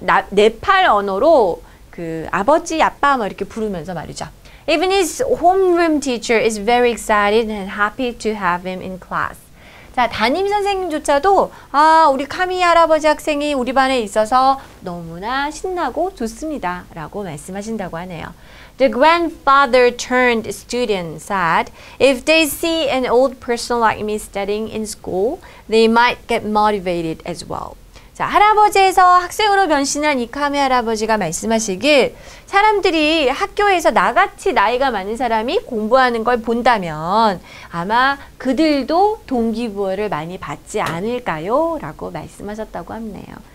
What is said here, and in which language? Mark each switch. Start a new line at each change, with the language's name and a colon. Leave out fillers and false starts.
Korean: 네팔 언어로 그 아버지, 아빠 막 이렇게 부르면서 말이죠.
English: Even his homeroom teacher is very excited and happy to have him in class.
Korean: 자, 담임 선생님조차도 아, 우리 카미 할아버지 학생이 우리 반에 있어서 너무나 신나고 좋습니다. 라고 말씀하신다고 하네요.
English: The grandfather turned student said, if they see an old person like me studying in school, they might get motivated as well.
Korean: 자, 할아버지에서 학생으로 변신한 이카미 할아버지가 말씀하시길 사람들이 학교에서 나같이 나이가 많은 사람이 공부하는 걸 본다면 아마 그들도 동기부여를 많이 받지 않을까요? 라고 말씀하셨다고 합니다.